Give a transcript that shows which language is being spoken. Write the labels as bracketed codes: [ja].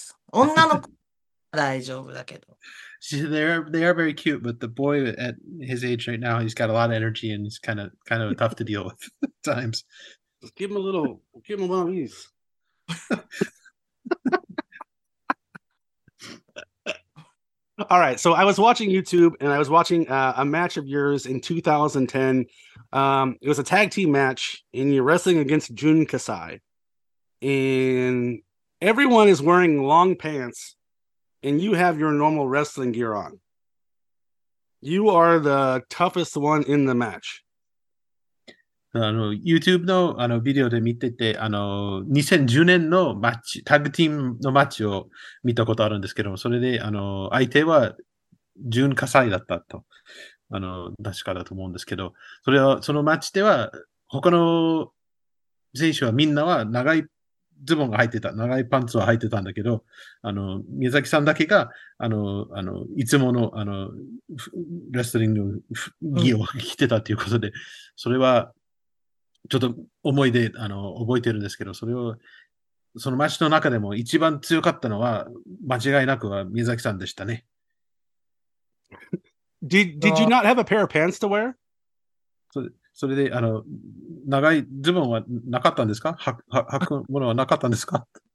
[ja] で、息子の方が暴れまくってたんですね。でもすごい可愛いんです。可愛いけど、今の時期は男の子がもう大変です。女の子は大丈夫だけど。 [en] They are very cute, but the boy at his age right now, he's got a lot of energy and he's kind of tough to deal with at times. Just give him a little, give him one of these. All right. So I was watching YouTube and I was watching a match of yours in 2010. It was a tag team match and you're wrestling against Jun Kasai. And everyone is wearing long pants. And you have your normal wrestling gear on. You are the toughest one in the match. [ja] YouTube の, ビデオで見てて、2010年のマッチ、タグチームのマッチを見たことあるんですけども、それで相手はジュン・カサイだったと、確かだと思うんですけど、それはそのマッチでは他の選手はみんなは長いズボンが入ってた、長いパンツは入ってたんだけど、宮崎さんだけが、いつもの、レストリングギアを着てたということで、それは、ちょっと思い出、覚えてるんですけど、それを、その街の中でも一番強かったのは、間違いなくは宮崎さんでしたね。 [en] Did you not have a pair of pants to wear? [ja] それで長いズボンはなかったんですか？履くものはなかったんですか？